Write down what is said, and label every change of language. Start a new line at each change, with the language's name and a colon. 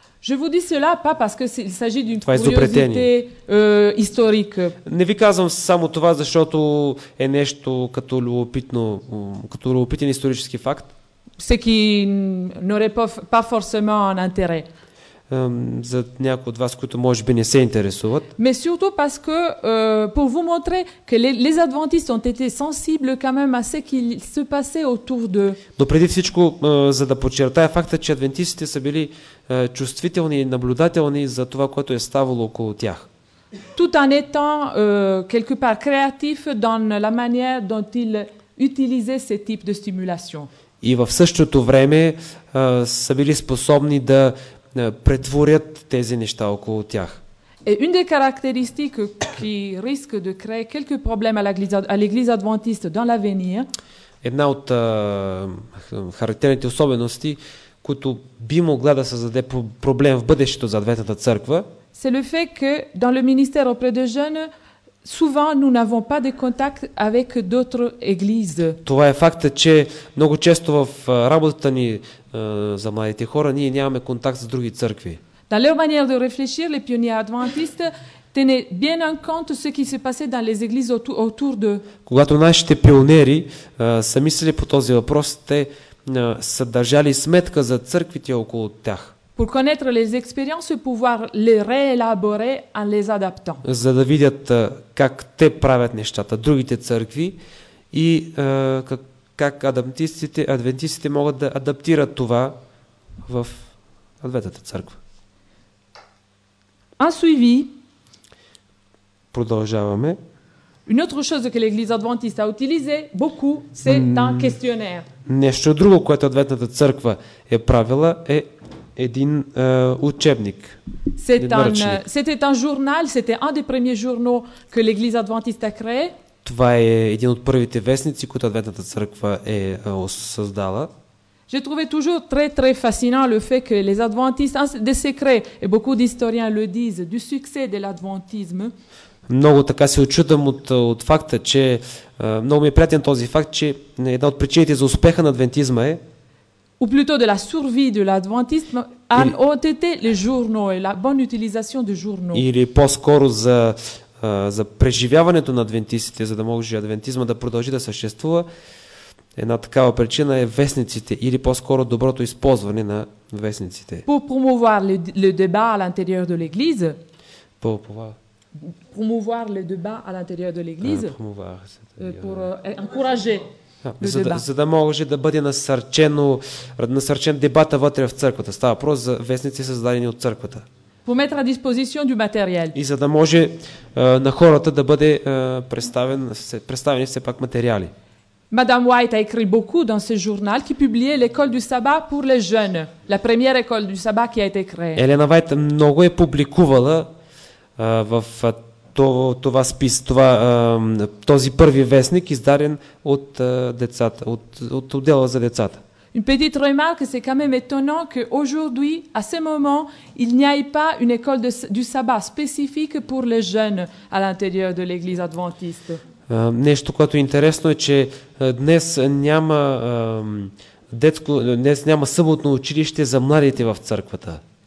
French: Je vous dis cela pas parce que il s'agit d'une curiosité historique.
Bulgarian: Не ви казвам само това, защото е нещо като любопитно, като любопитен исторически факт.
French: Ce qui n'aurait pas forcément un intérêt.
Bulgarian: За някои от вас, които може би не се интересуват.
French: Mais surtout parce que pour vous montrer que les adventistes ont été sensibles quand même à ce qui se passait autour d'eux.
Bulgarian: Но преди всичко, за да подчертая факта, че адвентистите са били чувствителни и наблюдателни за това, което е ставало около тях.
French: Tout en étant quelque part créatif dans la manière dont ils utilisaient ces types de stimulation.
Bulgarian: И в същото време са били способни да претворят тези неща около тях.
French: Et une des caractéristiques qui risque de créer quelques problèmes à l'église adventiste dans l'avenir.
Bulgarian: Една от характерните особености, които би могла да създаде проблем в бъдещето за Адвентната църква.
French: C'est le fait que dans le ministère auprès des jeunes, souvent nous n'avons pas de contact avec d'autres églises.
Bulgarian: Това е факта, че много често в работата ни за младите хора ние нямаме контакт с други църкви.
French: Dans leur manière de réfléchir, les pionniers adventistes tenaient bien en compte ce qui se passait dans les églises autour d'eux.
Bulgarian: Когато нашите пионери са мислили по този въпрос, те са държали сметка за църквите около тях.
French: Pour connaître les expériences, pouvoir les réélaborer en les adaptant.
Bulgarian: За да видят как те правят нещата, другите църкви, и как адвентистите могат да адаптират това в Адвентната църква.
French: En suivi.
Bulgarian: Продължаваме.
French: Une autre chose que l'église adventiste a utilisé beaucoup, c'est un questionnaire.
Bulgarian: Нещо друго, което Адвентната църква е правила, е един учебник.
French: C'était un journal, c'était un des premiers journaux que l'église adventiste a créé.
Bulgarian: Това е един от първите вестници, които Адвентната църква е създала.
French: Je trouvais toujours très très fascinant le fait que les adventistes de secret et beaucoup d'historiens le disent du succès de l'adventisme.
Bulgarian: Много така се учудвам от факта, че много ми е приятен този факт, че една от причините за успеха на адвентизма е
French: ou plutôt de la survie de l'adventisme ont été les journaux et la bonne utilisation de journaux.
Bulgarian: Или по-скоро за преживяването на адвентистите, за да може адвентизма да продължи да съществува, една такава причина е вестниците или по-скоро доброто използване на вестниците.
French: Pour promouvoir le débat à l'intérieur de l'église. Promouvoir le débat à l'intérieur de l'église. Promouvoir, pour encourager.
Bulgarian: За да може да бъде насърчен дебата вътре в църквата. Става въпрос за вестници, създадени от църквата.
French: pour mettre à disposition du matériel.
Bulgarian: И за да може на хората да бъде представени все пак материали.
French: Madame White a écrit beaucoup dans ce journal qui publiait l'école du sabbat pour les jeunes, la première école du sabbat qui a été créée.
Bulgarian: Елена Вайт много е публикувала в това спис, това този първи вестник издаден от децата, от отдела за децата.
French: Une petite remarque, c'est quand même étonnant que aujourd'hui, à ce moment, il n'y ait pas une école du sabbat spécifique pour les jeunes à l'intérieur de l'église adventiste.
Bulgarian: Нещо, което е интересно е, че днес няма детско, днес няма съботно училище за младите в църквата.